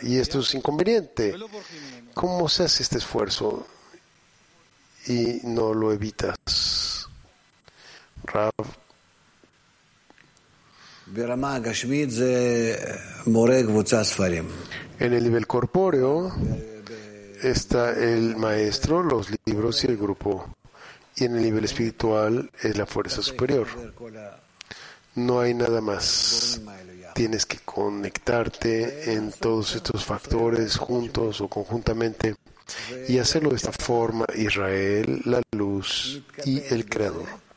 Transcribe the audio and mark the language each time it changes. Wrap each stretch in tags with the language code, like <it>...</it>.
<es>Y esto es inconveniente. ¿Cómo se hace este esfuerzo y no lo evitas?</es> <he>רב. ברמה הגשמית זה מורה קבוצה ספרים.</he> <es>En el nivel corpóreo está el maestro, los libros y el grupo. Y en el nivel espiritual es la fuerza superior. No hay nada más. Tienes que conectarte en todos estos factores juntos o conjuntamente y hacerlo de esta forma: Israel, la luz y el Creador.</es>